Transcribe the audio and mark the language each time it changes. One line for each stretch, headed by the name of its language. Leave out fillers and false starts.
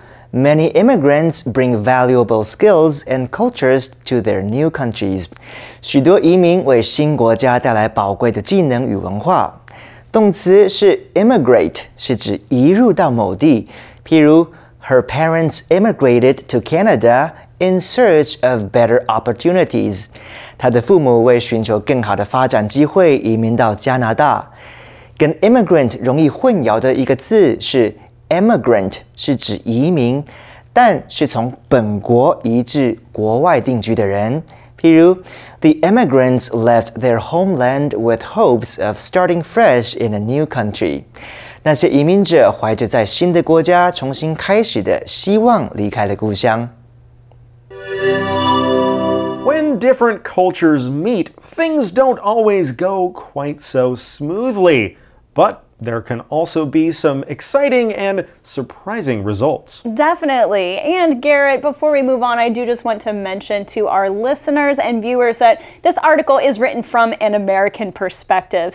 English: Many immigrants bring valuable skills and cultures to their new countries.
Chinese: 许多移民为新国家带来宝贵的技能与文化。动词是 immigrate, 是指移入到某地。譬如
English: her parents immigrated to Canada in search of better opportunities.
Chinese: 她的父母为寻求更好的发展机会移民到加拿大。跟 immigrant 容易混淆的一个字是Emigrant 是指移民，但是从本国移至国外定居的人。譬如
English: ，The emigrants left their homeland with hopes of starting fresh in a new country.
Chinese: 那些移民者怀着在新的国家重新开始的希望离开了故乡。
English: When different cultures meet, things don't always go quite so smoothly. But there can also be some exciting and surprising results. Definitely. And Garrett, before we move on, I do just want to mention to our listeners and viewers that this article is written from an American perspective.